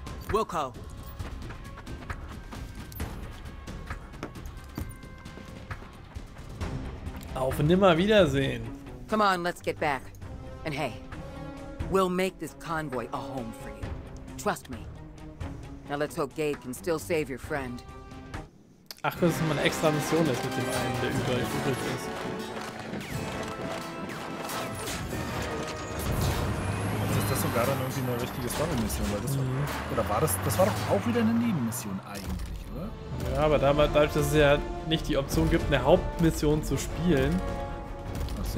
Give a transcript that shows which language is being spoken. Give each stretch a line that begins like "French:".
English: Wilco.
German: Auf Nimmerwiedersehen.
English: Come on, let's get back. And hey, we'll make this convoy a home for you. Trust me. Now let's hope Gabe can still save your friend.
German: Ach, das ist mal eine extra Mission jetzt mit dem einen, der übrig ist. Ist das sogar dann irgendwie eine richtige Story-Mission? Weil das war, oder war das? Das war doch auch wieder eine Nebenmission eigentlich, oder? Ja, aber dadurch, dass es ja nicht die Option gibt, eine Hauptmission zu spielen, so.